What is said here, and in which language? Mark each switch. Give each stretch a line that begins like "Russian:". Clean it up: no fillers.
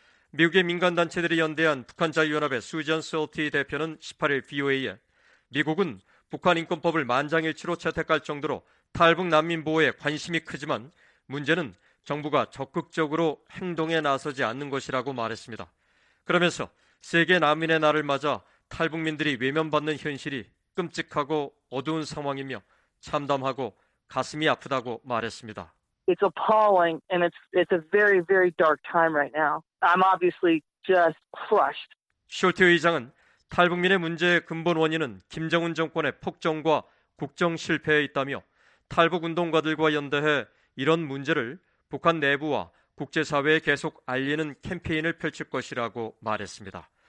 Korean: 미국의 민간단체들이 연대한 북한자유연합의 수전 셀티 대표는 18일 VOA에 미국은 북한 인권법을 만장일치로 채택할 정도로 탈북 난민 보호에 관심이 크지만 문제는 정부가 적극적으로 행동에 나서지 않는 것이라고 말했습니다. 그러면서 세계 난민의 날을 맞아 탈북민들이 외면받는 현실이 끔찍하고 어두운 상황이며 참담하고 가슴이 아프다고 말했습니다.
English: It's appalling and it's a very very dark time right now. I'm obviously just crushed.
Korean: 숄트 의장은 탈북민의 문제의 근본 원인은 김정은 정권의 폭정과 국정 실패에 있다며 탈북 운동가들과 연대해 이런 문제를 북한 내부와 국제사회에 계속 알리는 캠페인을 펼칠 것이라고 말했습니다.